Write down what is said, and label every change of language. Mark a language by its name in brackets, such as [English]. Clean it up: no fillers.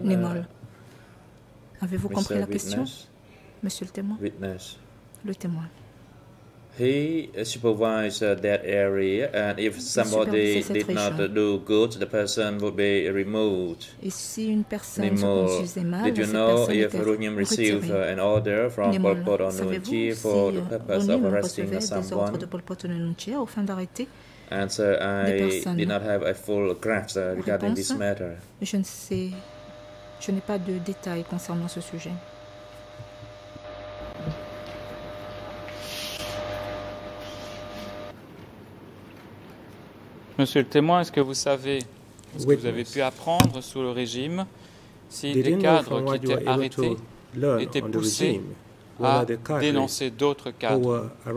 [French] Nimol, avez-vous compris la question, Monsieur le témoin? [English] Witness. [French] Le témoin. [English] He supervised that area, and if somebody did not do good, the person would be removed. [French] Et si une personne se conduisait mal, [English] did you know if Runyam received an order from Pol Pot or Nunchi for the purpose of arresting someone? [French] De Pol Pot ou Nunchi afin d'arrêter [English] Answer, I did not have a full grasp regarding this matter. [French] Je ne sais, je n'ai pas de détails concernant ce sujet. Monsieur le témoin, est-ce que vous savez ce que vous avez pu apprendre sous le régime si des cadres qui étaient arrêtés étaient poussés à dénoncer d'autres cadres?